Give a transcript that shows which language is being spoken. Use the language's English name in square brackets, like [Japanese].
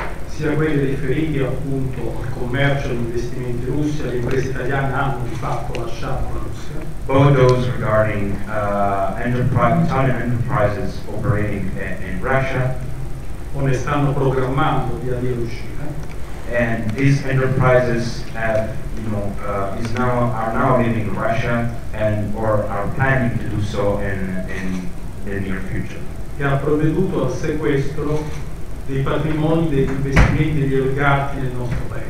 [Italian] Sia quelle riferite appunto al commercio e investimenti in Russia, le imprese italiane hanno di fatto lasciato la Russia. [English] Both those regarding Italian enterprises operating in Russia. [Italian] O ne stanno programmando via via l'uscita. [English] And these enterprises have, you know, are now leaving Russia and or are planning to do so in the near future. [Italian] Che ha provveduto al sequestro dei patrimoni, degli investimenti, degli oligarchi nel nostro paese.